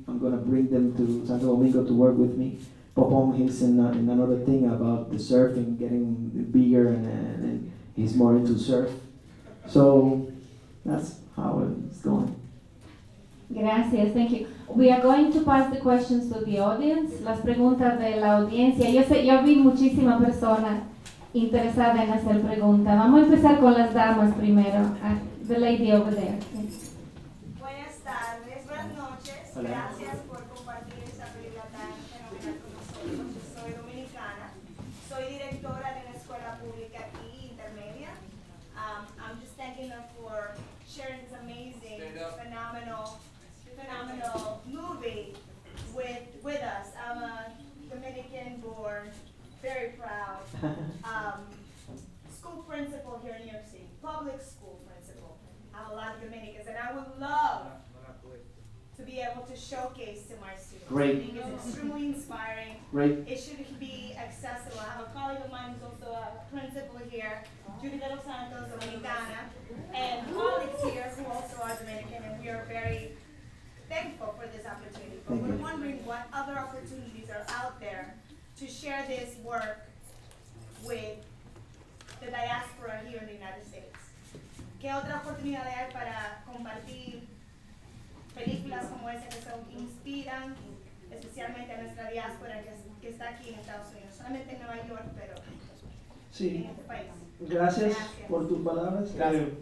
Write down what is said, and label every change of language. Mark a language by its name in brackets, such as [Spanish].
[English] I'm gonna bring them to Santo Domingo to work with me. Popom, he's in another thing about the surfing, getting bigger, and he's more into surf. So that's how it's going. Okay. [Spanish] Gracias, [English] thank you. We are going to pass the questions to the audience. [Spanish] Las preguntas de la audiencia. Yo vi muchísima persona interesada en hacer preguntas. Vamos a empezar con las damas primero. [English] The lady over there. [Spanish] Buenas tardes, buenas noches. Hola. Gracias por compartir esa película tan fenomenal con nosotros. Soy dominicana. Soy directora de una escuela pública aquí, intermedia. [English] I'm just thanking her for sharing this amazing, phenomenal movie with us. I'm a Dominican born, very proud, school principal here in New York City, public school principal. I have a lot of Dominicans, and I would love to be able to showcase to my students. Great. I think it's extremely inspiring. Great. It should be accessible. I have a colleague of mine who's also a principal here, Judy de los Santos, Dominicana, and colleagues here who also are Dominican, and we are very thankful for this opportunity. But we're wondering what other opportunities are out there to share this work with the diaspora here in the United States. [Spanish] ¿Qué otra oportunidad hay para compartir películas como esa que son inspiran especialmente a nuestra diáspora que está aquí en Estados Unidos? Solamente en Nueva York, pero sí, en este país. Gracias por tus palabras. Claro.